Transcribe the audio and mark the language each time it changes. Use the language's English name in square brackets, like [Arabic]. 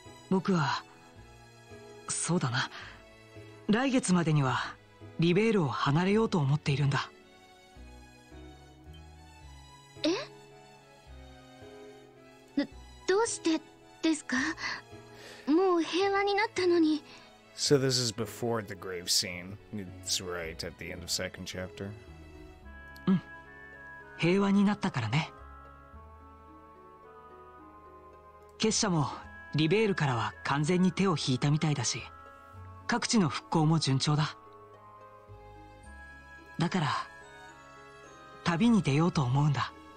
[Japanese] 僕は、そうだな、来月までにはリベールを離れようと思っているんだ。え？どうしてですか？もう平和になったのに。 [English] So this is before the grave scene. It's right at the end of second chapter. [Japanese] うん、平和になったからね。結社もリベールからは完全に手を引いたみたいだし、各地の復興も順調だ。だから旅に出ようと思うんだ。